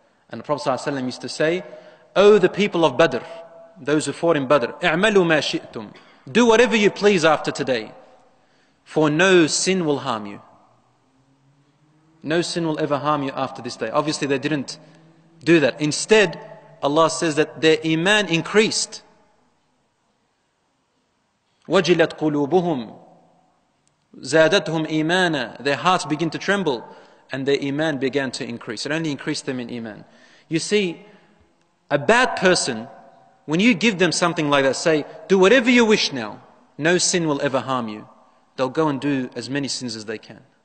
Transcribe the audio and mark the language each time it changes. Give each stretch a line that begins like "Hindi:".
English: And the Prophet ﷺ used to say, O the people of Badr, those who fought in Badr,
Arabic: اعملوا ما شئتم.
English: Do whatever you please after today, for no sin will harm you. No sin will ever harm you after this day. Obviously they didn't do that. Instead, Allah says that their iman increased.
Arabic: وجلت قلوبهم زادتهم إيمانا.
English: Their hearts begin to tremble and their iman began to increase. It only increased them in iman. You see, a bad person, when you give them something like that, say, do whatever you wish now, no sin will ever harm you, they'll go and do as many sins as they can.